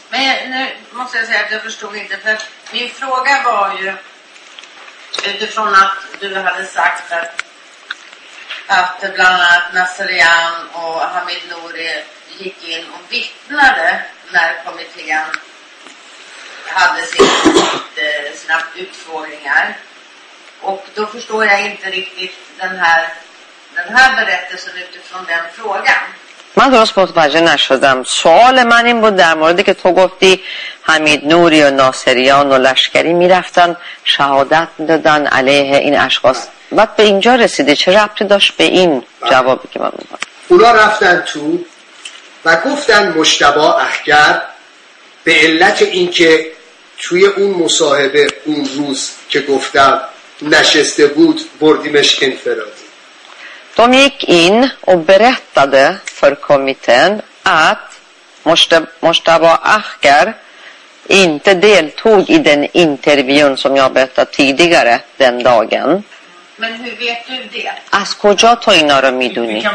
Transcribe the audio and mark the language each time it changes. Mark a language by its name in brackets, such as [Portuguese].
[Swedish] Men nu måste jag säga att jag förstod inte. För min fråga var ju utifrån att du hade sagt att bland annat Nasserian och Hamid Nouri gick in och vittnade när kommittén hade sina utfrågningar. Och då förstår jag inte riktigt den här berättelsen utifrån den frågan. [Persian] من درست متوجه نشدم. سوال من این بود در موردی که تو گفتی حمید نوری و ناصریان و لشکری میرفتن شهادت دادن علیه این اشخاص. بعد به اینجا رسیده. چه ربطی داشت به این جوابی که من میخوام؟ اونا رفتن تو و گفتن مشتبه اخگر به علت اینکه توی اون مصاحبه اون روز که گفتم نشسته بود بردیمش انفرادی. [Swedish] De gick in och berättade för kommittén att Mushtaba Akhgar inte deltog i den intervjun som jag berättade tidigare den dagen. Men hur vet du det? Asko jag tar in några miduni.